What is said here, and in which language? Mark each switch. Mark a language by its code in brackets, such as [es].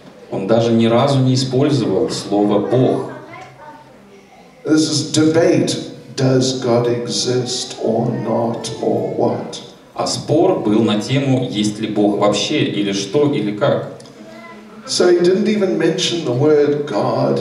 [ru] Он даже ни разу не использовал слово Бог. [en] This is debate, does God exist or not, or what? [ru] А спор был на тему, есть ли Бог вообще, или что, или как. [en] So he didn't even mention the word God.